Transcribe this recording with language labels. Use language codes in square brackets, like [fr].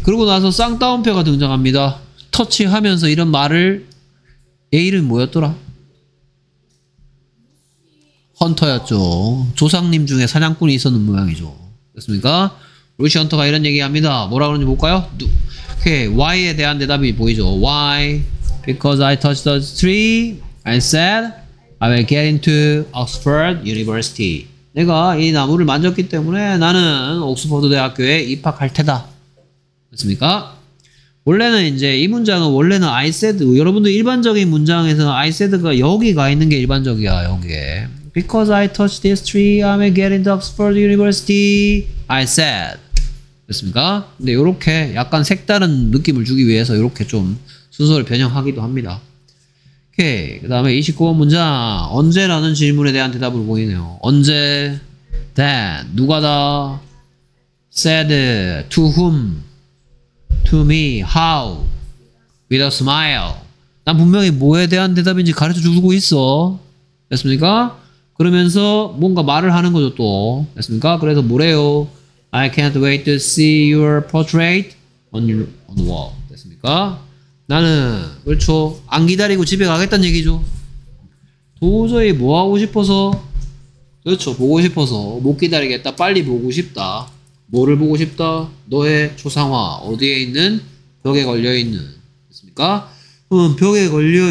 [ko] 그러고 나서 쌍따옴표가 등장합니다. 터치하면서 이런 말을. 얘 이름이 뭐였더라? 헌터였죠. 조상님 중에 사냥꾼이 있었는 모양이죠. 됐습니까? 루시 헌터가 이런 얘기합니다. 뭐라 그러는지 볼까요? 오케이. Why에 대한 대답이 보이죠. Why? [en] Because I touched the tree and said I will get into Oxford University. [ko] 내가 이 나무를 만졌기 때문에 나는 옥스퍼드 대학교에 입학할 테다. 맞습니까? 원래는 이제 이 문장은 원래는 [en] I said, [ko] 여러분들 일반적인 문장에서는 I said가 여기가 있는 게 일반적이야, 여기에. [en] Because I touched this tree, I will get into Oxford University. I said. [ko] 맞습니까? 근데 이렇게 약간 색다른 느낌을 주기 위해서 이렇게 좀 순서를 변형하기도 합니다. 그 다음에 29번 문장 언제라는 질문에 대한 대답을 보이네요. 언제? [en] Then [ko] 누가다? [en] Said to whom? To me. How? With a smile. [ko] 난 분명히 뭐에 대한 대답인지 가르쳐주고 있어. 됐습니까? 그러면서 뭔가 말을 하는 거죠 또. 됐습니까? 그래서 뭐래요? [en] I can't wait to see your portrait on the wall. [ko] 됐습니까? 나는 그렇죠. 안 기다리고 집에 가겠다는 얘기죠. 도저히 뭐 하고 싶어서? 그렇죠. 보고 싶어서. 못 기다리겠다. 빨리 보고 싶다. 뭐를 보고 싶다? 너의 초상화. 어디에 있는? 벽에 걸려 있는. 됐습니까? 그럼 벽에 걸려.